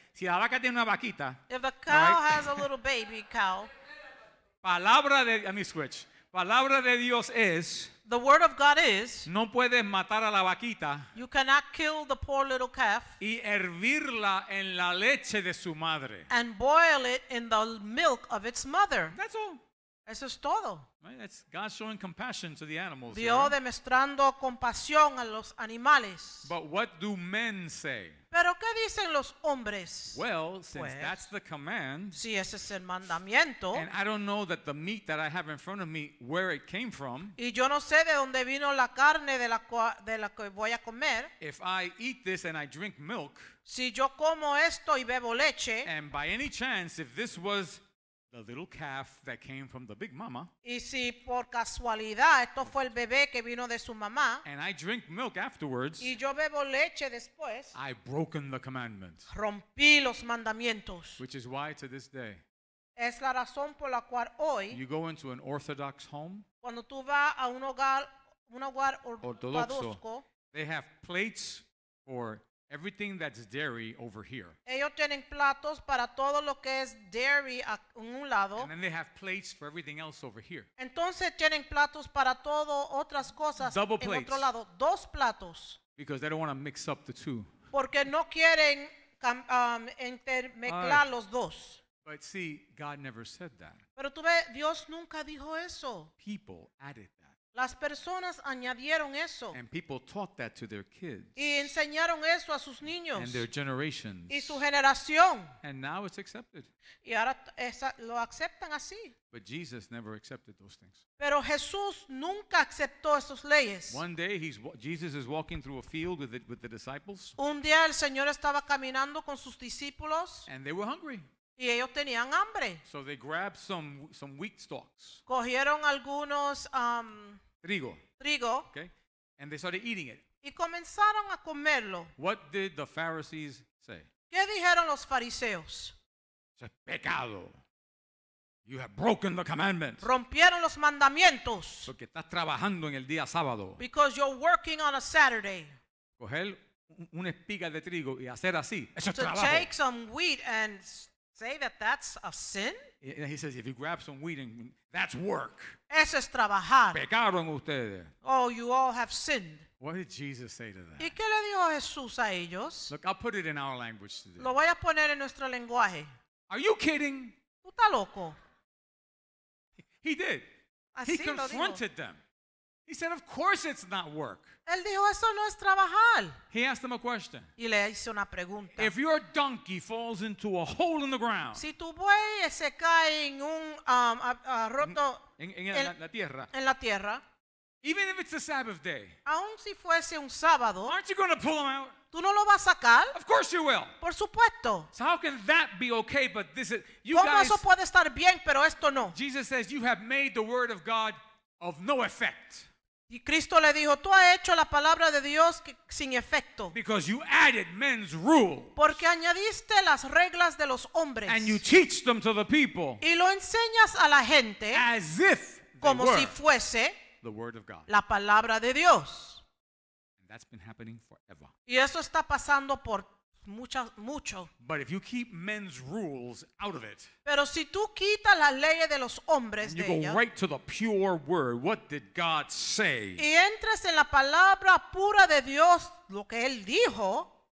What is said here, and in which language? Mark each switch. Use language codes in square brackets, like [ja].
[es] Si la vaca tiene una vaquita. [en] If the cow right? has a little baby cow. [es] Palabra de Dios. Palabra de Dios es. [en] The word of God is. [es] No puedes matar a la vaquita. [en] You cannot kill the poor little calf. [es] Y hervirla en la leche de su madre. [en] And boil it in the milk of its mother. That's all. [es] Eso es todo. [en] Right, that's God showing compassion to the animals. [es] Dios demostrando compasión a los animales. [en] But what do men say? [es] Pero ¿qué dicen los hombres? [en] Well, since pues, that's the command. [es] Si ese es el mandamiento. [en] And I don't know that the meat that I have in front of me, where it came from. [es] Y yo no sé de dónde vino la carne de la que voy a comer. [en] If I eat this and I drink milk. [es] Si yo como esto y bebo leche. [en] And by any chance, if this was the little calf that came from the big mama. [es] Y si por casualidad esto fue el bebé que vino de su mamá. [en] And I drink milk afterwards. [es] Y yo bebo leche después. [en] I've broken the commandment. [es] Rompí los mandamientos. [en] Which is why to this day. [es] Es la razón por la cual hoy. [en] You go into an Orthodox home. [es] Cuando tú vas a un hogar ortodoxo. [en] They have plates for everything that's dairy over here. [es] Ellos tienen platos para todo lo que es dairy en un lado. [en] And then they have plates for everything else over here. [es] Entonces tienen platos para todo otras cosas [en] double [es] en [en] plates. [es] Otro lado. Dos platos. [en] Because they don't want to mix up the two. [es] Porque no quieren intermezclar los dos. [en] But see, God never said that. [es] Pero tú ves, Dios nunca dijo eso. [en] People added that. [es] Las personas añadieron eso. [en] And people taught that to their kids. [es] Y enseñaron eso a sus niños. [en] And their generations. [es] Y su generación. [en] And now it's accepted. [es] Y ahora lo aceptan así. [en] But Jesus never accepted those things. [es] Pero Jesús nunca aceptó esas leyes. [en] One day Jesus is walking through a field with the disciples. [es] Un día el Señor estaba caminando con sus discípulos. [en] And they were hungry. [es] Y ellos tenían hambre. [en] So they grabbed some wheat stalks. [es] Cogieron algunos [en] trigo. [es] Trigo. [en] Okay. And they started eating it. [es] Y comenzaron a comerlo. [en] What did the Pharisees say? [es] ¿Qué dijeron los fariseos? Es pecado. [en] You have broken the commandments. [es] Rompieron los mandamientos. Porque estás trabajando en el día sábado. [en] Because you're working on a Saturday. [es] Coger una espiga de trigo y hacer así. Eso es trabajo. [en] To take some wheat and say that that's a sin? He says, if you grab some wheat, and that's work. [es] Eso es trabajar. Pecaron ustedes. [en] Oh, you all have sinned. What did Jesus say to that? [es] ¿Y qué le dijo Jesús a ellos? [en] Look, I'll put it in our language today. [es] Lo voy a poner en nuestro lenguaje. [en] Are you kidding? [es] ¿Tú estás loco? [en] He did. [es] Así [en] he confronted [es] lo dijo. [en] Them. He said, of course it's not work. [es] Él dijo, eso no es trabajar. [en] He asked them a question. [es] Y le hizo una pregunta. [en] If your donkey falls into a hole in the ground. [es] Si tu buey se cae en un roto en la tierra. En la tierra. [en] Even if it's a Sabbath day. [es] Aun si fuese un sábado. [en] Aren't you going to pull them out? [es] ¿Tú no lo vas a sacar? [en] Of course you will. [es] Por supuesto. [en] So how can that be okay, but this is, you [es] ¿Cómo [en] guys, [es] eso puede estar bien, pero esto no? [en] Jesus says, you have made the word of God of no effect. [es] Y Cristo le dijo, tú has hecho la palabra de Dios sin efecto. [en] Because you added men's rules. [es] Porque añadiste las reglas de los hombres. [en] And you teach them to the people. [es] Y lo enseñas a la gente. [en] As if [es] como [en] they [es] si [en] were [es] fuese [en] the word of God. [es] La palabra de Dios. [en] And that's been happening forever. [es] Y eso está pasando por mucho. [en] But if you keep men's rules out of it, [es] pero si tú quitas las leyes de los hombres, [en] you [es] de [en] go [es] ella, [en] right to the pure word. What did God say? [es] Y entras en la palabra pura de Dios, lo que él dijo.